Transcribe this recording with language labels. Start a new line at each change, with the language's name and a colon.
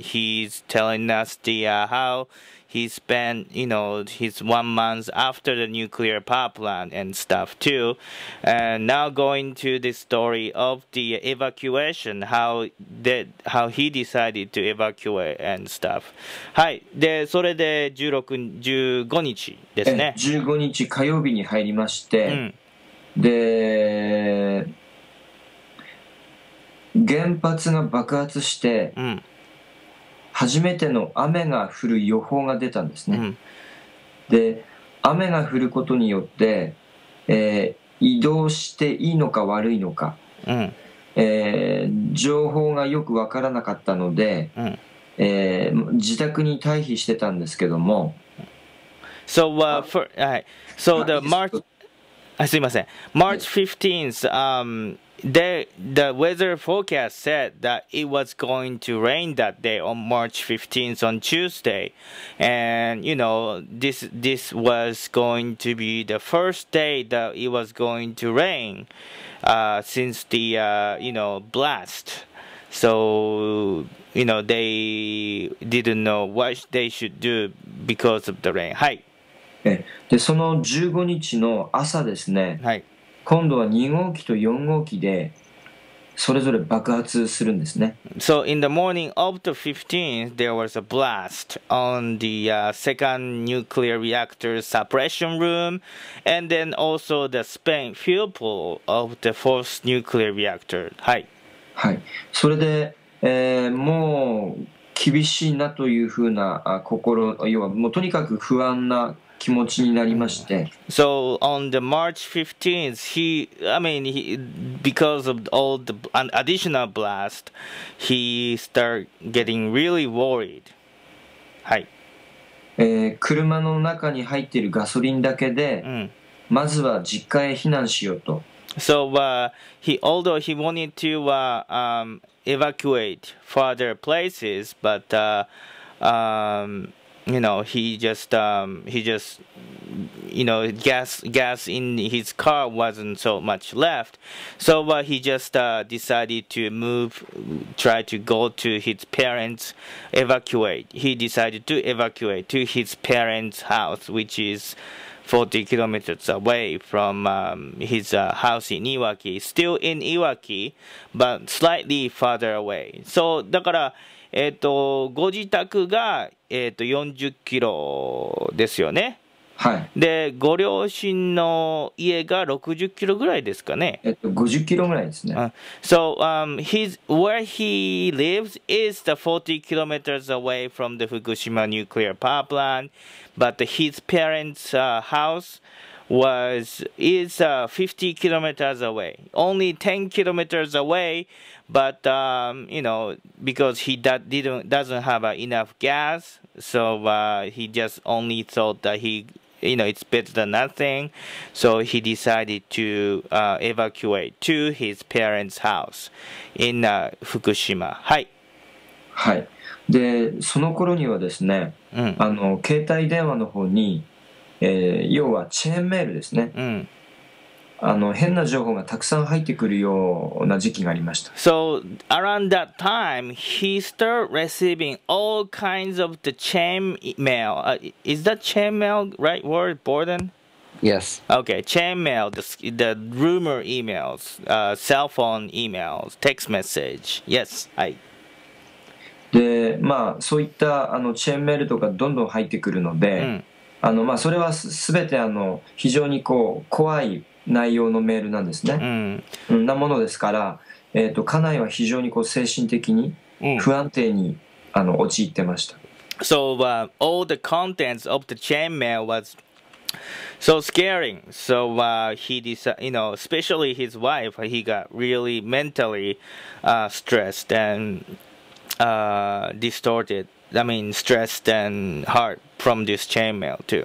English: He's telling us how he spent, his 1 month after the nuclear power plant and stuff too. And now going to the story of the evacuation, how he decided to evacuate and stuff.
Japanese: はい。で、それで15日ですね。 15日火曜日に入りまして、うん、で、原発が爆発して、うん、初めての雨が降る予報が出たんですね、うん、で雨が降ることによって、移動していいのか悪いのか、うん、情報がよくわからなかったので、うん、自宅に退避してたんですけども
English: So, March 15th、The weather forecast said that it was going to rain that day on March 15th on Tuesday. And, this was going to be the first day that it was going to rain since the, blast. So, they didn't know what they should do because of the rain.
Japanese: はい。で、その15日の朝ですね。はい。今度は2号機と4号機でそれぞれ爆発するんですね。
English: So in the morning of the 15th, there was a blast on the second nuclear reactor suppression room and then also the spent fuel pool of the fourth nuclear reactor.
Japanese: はい。はい。それで、もう厳しいなというふうな心、要はもうとにかく不安な気持ちになりまして。
English: So on the March 15th, he, because of all the additional blast, he start getting really worried.
Japanese: はい。車の中に入っているガソリンだけで、うん、まずは実家へ避難しようと。
English: So although he wanted to evacuate further places, but gas in his car wasn't so much left. So he just decided to move, try to go to his parents, evacuate. He decided to evacuate to his parents' house, which is 40 kilometers away from his house in Iwaki. Still in Iwaki, but slightly farther away.
Japanese: So, だから、ご自宅が、40キロですよね。はい。で、ご両親の家が60キロぐらいですかね。 50キロぐらいですね。
English: So, where he lives is the 40 kilometers away from the Fukushima nuclear power plant, but his parents' house is 50 kilometers away. Only 10 kilometers away, but, because he doesn't have enough gas, so he just only thought that it's better than nothing. So he decided to evacuate to his parents' house in Fukushima.
Japanese: はい。はい。で、その頃にはですね、うん、携帯電話の方に、要はチェーンメールですね、うん、変な情報がたくさん入ってくるような時期がありました。
English: So around that time, he started receiving all kinds of the chain mail. Is that chain mail right word, Borden? Yes. Okay, chain mail, the rumor emails, cell phone emails, text message. Yes, I.
Japanese: で、まあそういったチェーンメールとかどんどん入ってくるので、うん、まあそれはすべて非常にこう怖い内容のメールなんですね。うん、なものですから、家内は非常にこう精神的に不安定に、うん、陥ってました。
English: So, all the contents of the chain mail was so scaring. So, he decided, especially his wife, he got really mentally stressed and distorted, I mean stressed and hard from this chainmail too.